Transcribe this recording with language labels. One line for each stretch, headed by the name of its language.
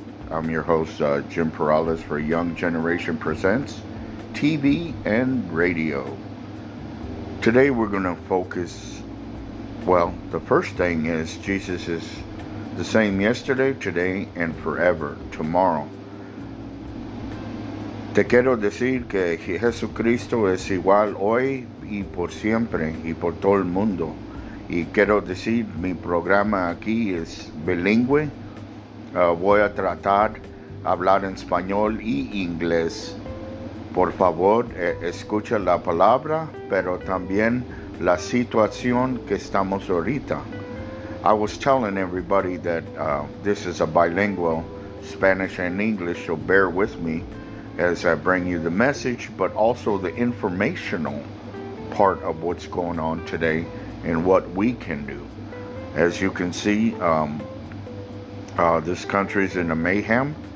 English: I'm your host, Jim Perales for Young Generation Presents TV and Radio. Today we're going to focus, well, the first thing is Jesus is the same yesterday, today, and forever, tomorrow.
Spanish: Te quiero decir que Jesucristo es igual hoy y por siempre y por todo el mundo. Y quiero decir, mi programa aquí es bilingüe. Voy a tratar de hablar en español y inglés. Por favor, escucha la palabra, pero también la situación que estamos ahorita.
English: I was telling everybody that this is a bilingual Spanish and English, so bear with me as I bring you the message, but also the informational part of what's going on today. And what we can do. As you can see, this country's in a mayhem.